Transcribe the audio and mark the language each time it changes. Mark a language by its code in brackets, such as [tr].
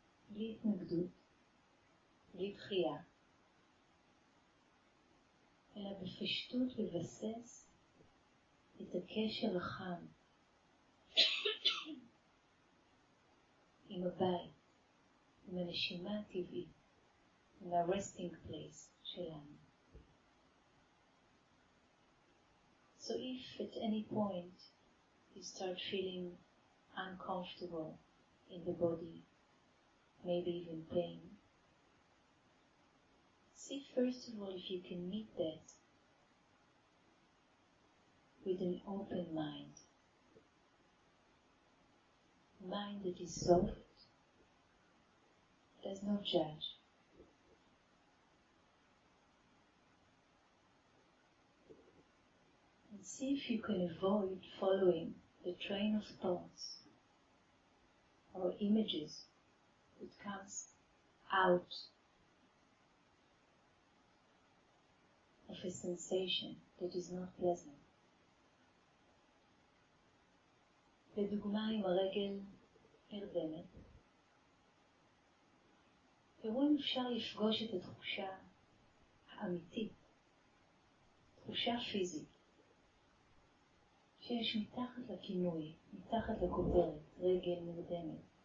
[he] בלי התנגדות, בלי דחייה, אלא בפשטות לבסס את הקשר החם עם הבית, עם הנשימה הטבעית, עם ה- [en] resting place [he] שלנו. [en] So if at any point you start feeling uncomfortable in the body, maybe even pain, see first of all if you can meet that with an open mind. Mind that is soft, does not judge. And see if you can avoid following the train of thoughts or images that comes out of a sensation that is not pleasant. [he] לדוגמה, אם הרגל נרדמת, תראו אם אפשר לפגוש את התחושה האמיתית, תחושה פיזית, שיש מתחת לכינוי, מתחת לכותרת, רגל נרדמת.